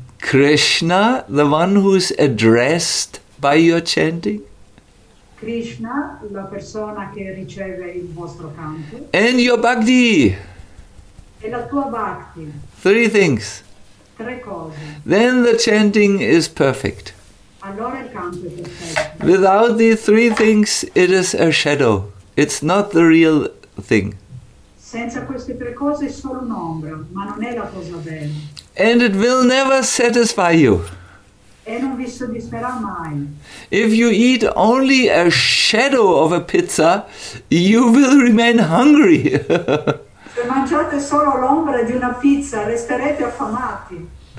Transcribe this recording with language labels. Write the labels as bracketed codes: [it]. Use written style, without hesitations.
[en] Krishna, the one who is addressed by your chanting. [it] Krishna, la persona che riceve il vostro canto. [en] And your bhakti. [it] E la tua bhakti. [en] Three things. [it] Tre cose. [en] Then the chanting is perfect. [it] Allora il canto è perfetto. [en] Without these three things, it is a shadow. It's not the real thing. [it] Senza queste tre cose è solo un'ombra, ma non è la cosa bella. [en] And it will never satisfy you. [it] E non vi soddisferà mai. [en] If you eat only a shadow of a pizza, you will remain hungry. [it] Se mangiate solo l'ombra di una pizza, resterete affamati.